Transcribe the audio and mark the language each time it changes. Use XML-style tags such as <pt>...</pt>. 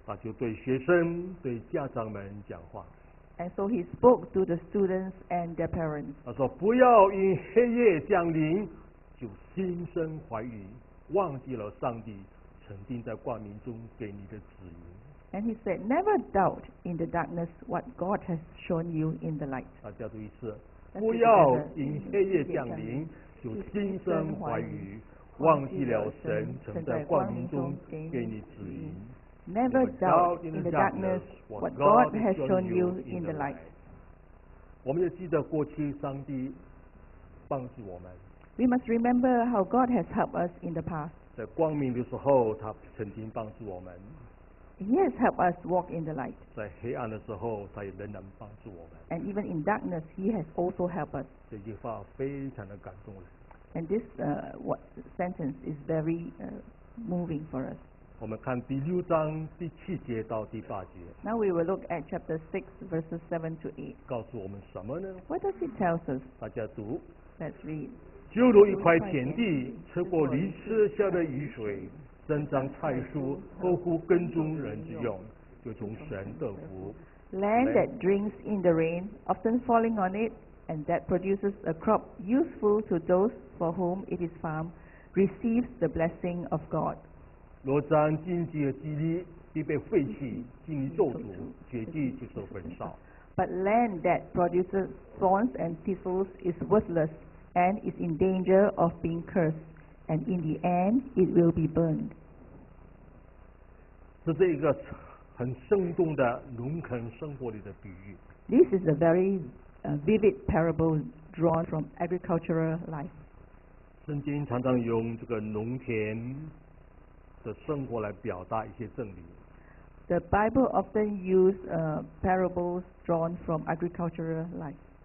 <zh>他就对学生、对家长们讲话。</zh> <en>And so he spoke to the students and their parents.</en> <zh>他说：“不要因黑夜降临就心生怀疑，忘记了上帝。” 曾经在光明中给你的指引。</zh> <en>And he said, never doubt in the darkness what God has shown you in the light.</en> <zh>啊，再读一次，不要因黑夜降临就心生怀疑，忘记了神曾在光明中给你指引。</zh> <en>Never doubt in the darkness what God has shown you in the light.</en> <zh>我们也记得过去上帝帮助我们。</zh> <en>We must remember how God has helped us in the past.</en> <zh>在光明的时候，他曾经帮助我们。</zh> <en>He has helped us walk in the light.</en> <zh>在黑暗的时候，他也仍然帮助我们。</zh> <en>And even in darkness, he has also helped us.</en> <zh>这句话非常的感动人。</zh> <en>And this sentence is very moving for us.</en> <zh>我们看第六章第七节到第八节。</zh> <en>Now we will look at chapter 6, verses 7 to 8.</en> <zh>告诉我们什么呢？</zh> <en>What does it tell us?</en> <zh>大家读。</zh> <en>Let's read.</en> <zh>就如一块田地吃过驴吃下的雨水，生长菜蔬，合乎耕种人之用，就从神得福。</zh> <en>Land that drinks in the rain, often falling on it, and that produces a crop useful to those for whom it is farmed, receives the blessing of God.</en> <zh>若沾荆棘的地里必被废弃，荆棘咒诅，绝地就是焚烧。</zh> <en>But land that produces thorns and thistles is worthless. And is in danger of being cursed, and in the end, it will be burned.</en> <zh>这是一个很生动的农垦生活里的比喻。</zh> <en>This is a very vivid parable drawn from agricultural life.</en> <zh>圣经常常用这个农田的生活来表达一些真理。</zh> <en>The Bible often uses parables drawn from agricultural life.</en>